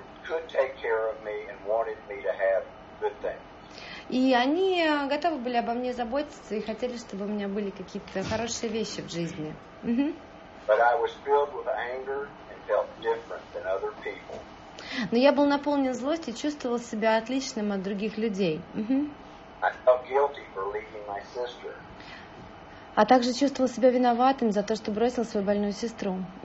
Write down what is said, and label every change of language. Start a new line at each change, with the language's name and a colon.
English: Could take care of me and wanted me to have good things.
Russian: И они готовы были обо мне заботиться и хотели, чтобы у меня были какие-то хорошие вещи в жизни.
English: But I was filled with anger and felt different than other people.
Russian: Но я был наполнен злостью и чувствовал себя отличным от других людей.
English: I felt guilty for leaving my sister.
Russian: А также чувствовал себя виноватым за то, что бросил свою больную сестру.